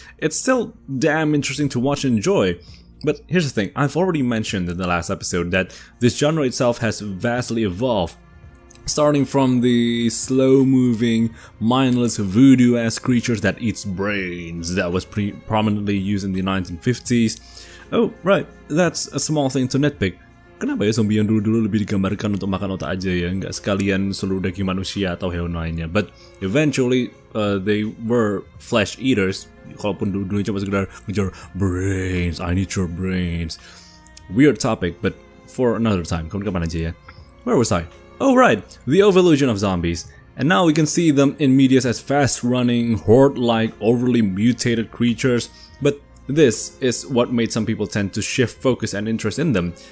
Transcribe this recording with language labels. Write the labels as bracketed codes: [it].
[en] It's still damn interesting to watch and enjoy. But here's the thing, I've already mentioned in the last episode that this genre itself has vastly evolved, starting from the slow-moving, mindless voodoo-ass creatures that eats brains that was prominently used in the 1950s. Oh, right, that's a small thing to nitpick. [id] Kenapa ya zombie yang dulu-dulu lebih digambarkan untuk makan otak aja ya, nggak sekalian seluruh daging manusia atau hewan lainnya. [en] But eventually, they were flesh eaters, [id] kalaupun dulu-dulu cuma sekedar ngejar [en] brains, I need your brains. Weird topic, but for another time, [id] kapan-kapan aja ya. [en] Where was I? Oh right, the evolution of zombies. And now we can see them in medias as fast-running, horde-like, overly mutated creatures, but this is what made some people tend to shift focus and interest in them.